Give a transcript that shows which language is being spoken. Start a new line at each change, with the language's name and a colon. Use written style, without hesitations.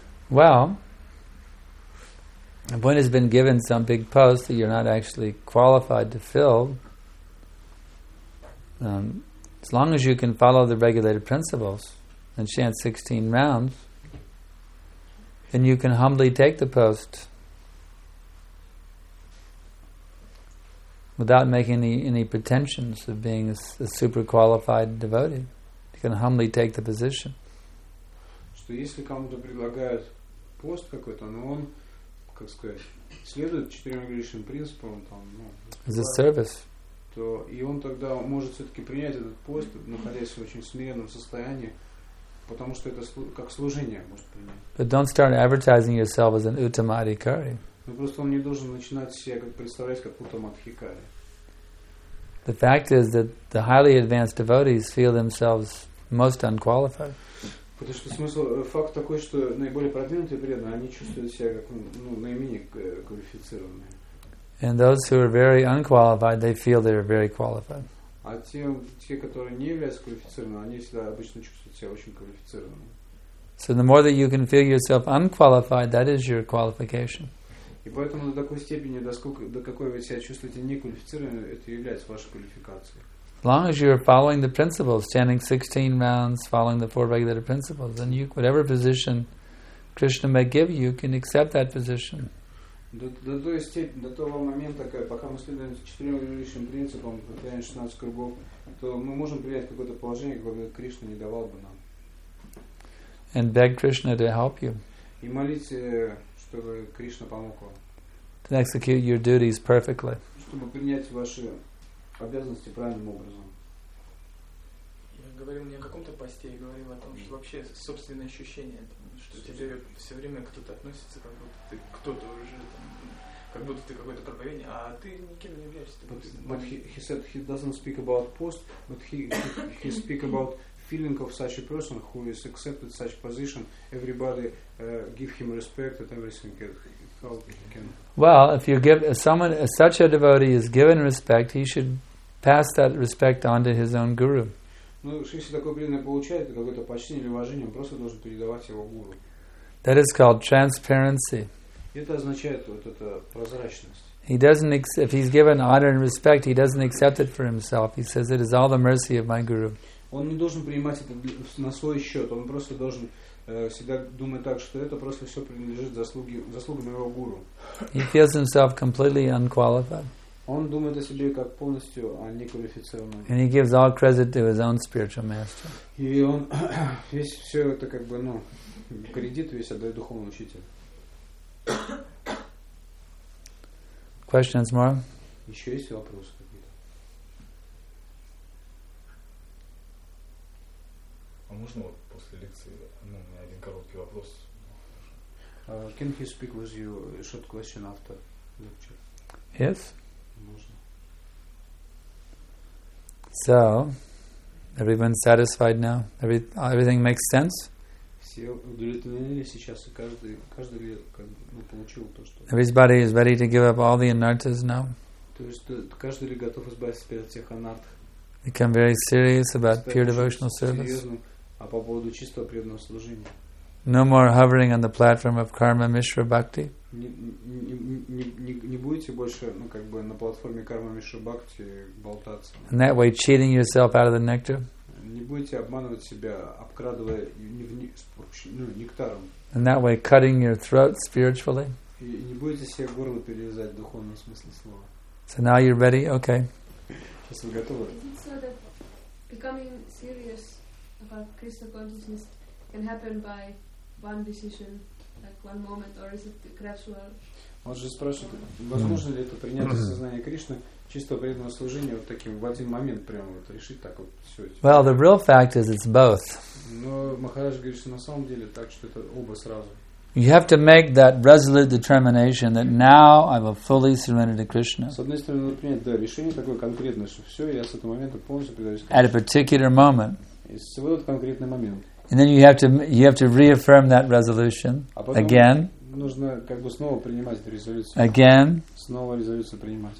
English: Well, if one has been given some big post that you're not actually qualified to fill, as long as you can follow the regulated principles and chant 16 rounds, then you can humbly take the post without making any pretensions of being a super qualified devotee. You can humbly take the position.
Russian: Что если кому-то предлагают пост какой-то, но он, как сказать, следует четырем величественным принципам, там, ну,
English: as a service.
Russian: То и он тогда может все-таки принять этот пост, находясь в очень смиренном состоянии, потому что это как служение может принять.
English: But don't start advertising yourself as an Uttama Adhikari.
Russian: Но просто он не должен начинать себя как представлять как Uttama Adhikari.
English: The fact is that the highly advanced devotees feel themselves most unqualified.
Russian: Потому что смысл, факт такой, что наиболее продвинутые преданные, они чувствуют себя как, ну, наименее квалифицированные.
English: And those who are very unqualified, they feel they are very qualified.
Russian: А те, которые не являются квалифицированными, они всегда обычно чувствуют себя очень квалифицированными.
English: So the more that you can feel yourself unqualified, that is your qualification.
Russian: И поэтому до такой степени, до какой вы себя чувствуете неквалифицированным, это является вашей квалификацией.
English: As long as you are following the principles, chanting 16 rounds, following the four regulated principles, then you, whatever position Krishna may give you, can accept that position.
Russian: До того момента, пока мы следуем четырем регулирующим принципам, повторяем 16 кругов, то мы можем принять какое-то положение, которое Кришна не давал бы нам.
English: And beg Krishna to help you.
Russian: И молить, чтобы Кришна помог вам.
English: To execute your duties perfectly.
Russian: Чтобы принять ваши обязанности правильным образом. Я говорил не о каком-то посте, я говорил о том, что вообще собственное ощущение, что тебе все время кто-то относится, как будто ты кто-то уже, там, как будто ты какой-то проповедник, а ты никем не являешься.
English: But he said he doesn't speak about post, but he speak about feeling of such a person who is accepted such position, everybody give him respect and everything that he felt he can. Well, if you give someone, such a devotee is given respect, he should pass that respect on to his own guru.
Russian: Ну, если такой преданный получает какое-то почтение или уважение, он просто должен передавать его гуру.
English: That is called transparency.
Russian: Это означает вот эта прозрачность.
English: He doesn't if he's given honor and respect, he doesn't accept it for himself. He says it is all the mercy of my guru.
Russian: Он не должен принимать это на свой счет. Он просто должен всегда думать так, что это просто все принадлежит заслугам моего гуру.
English: He feels himself completely unqualified.
Russian: Он думает о себе как полностью неквалифицированном.
English: And he gives all credit to his own spiritual master.
Russian: И он весь все это как бы, ну, кредит весь отдает духовному учителю.
English: Questions more?
Russian: Еще есть вопросы? А можно вот после лекции, ну, у меня один короткий вопрос.
English: Can he speak with you a short question after lecture? Yes.
Russian: Можно.
English: So, everyone satisfied now? Everything makes sense?
Russian: Все удовлетворены сейчас, и каждый как бы получил то, что...
English: Everybody is ready to give up all the anarthas now?
Russian: То есть каждый готов избавиться от всех анартх?
English: Become very serious about pure devotional service?
Russian: А по поводу чистого преданного служения.
English: No more hovering on the platform of karma mishra bhakti.
Russian: Не будете больше, ну, как бы на платформе карма мишра бхакти болтаться.
English: And that way cheating yourself out of the nectar.
Russian: Не будете обманывать себя, обкрадывая нектаром.
English: And that way cutting your throat spiritually.
Russian: И не будете себе горло перерезать в духовном смысле слова.
English: So now you're ready? Okay.
Russian: Сейчас вы готовы?
English: Becoming serious about Krishna consciousness can happen by one decision, like one moment, or is it gradual?
Russian: Он же спрашивает, возможно ли это принятие сознания Кришны чисто преданного служения вот таким в один момент прямо вот решить так вот все.
English: Well, the real fact is it's both.
Russian: Но Махарадж говорит, что на самом деле так, что это оба сразу.
English: You have to make that resolute determination that now I will fully surrender to Krishna.
Russian: С одной стороны, надо принять, да, решение такое конкретное, что все, я с этого момента полностью предаюсь
English: Кришне. At a particular moment.
Russian: В этот конкретный момент.
English: And then you have to reaffirm that resolution again.
Russian: Нужно как бы снова принимать эту резолюцию.
English: Again.
Russian: Снова резолюцию принимать.